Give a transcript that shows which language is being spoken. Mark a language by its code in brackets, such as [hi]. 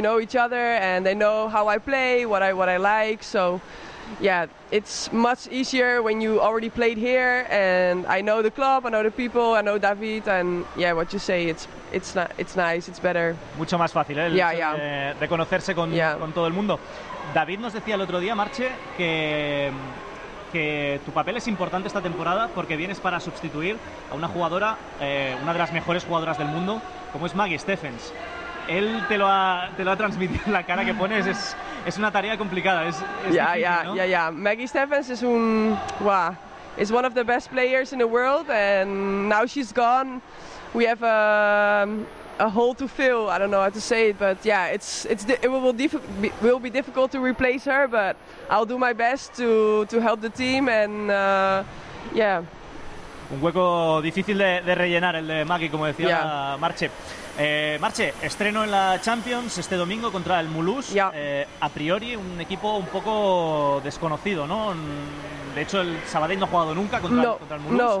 [en] You know each other and they know how I play, what I like, so yeah, it's much easier when you already played here and I know the club, I know the people, I know David and yeah, what you say, it's nice, it's better. [es] Mucho más fácil, ¿eh? Reconocerse con todo el mundo. David nos decía el otro día, Marche, que tu papel es importante esta temporada porque vienes para sustituir a una jugadora, una de las mejores jugadoras del mundo, como es Maggie Steffens. Él te lo ha transmitido en la cara que pones, es una tarea complicada, es difícil, ¿no? [en] Maggie Steffens is is one of the best players in the world and now she's gone. We have a hole to fill. I don't know how to say it, but yeah, it will be difficult to replace her, but I'll do my best to help the team and [es] Un hueco difícil de rellenar el de Maggie, como decía Marche. Marche, estreno en la Champions este domingo contra el Mulhouse. [en] Yeah. [es] A priori un equipo un poco desconocido, ¿no? De hecho el Sabadell no ha jugado nunca contra el Mulhouse.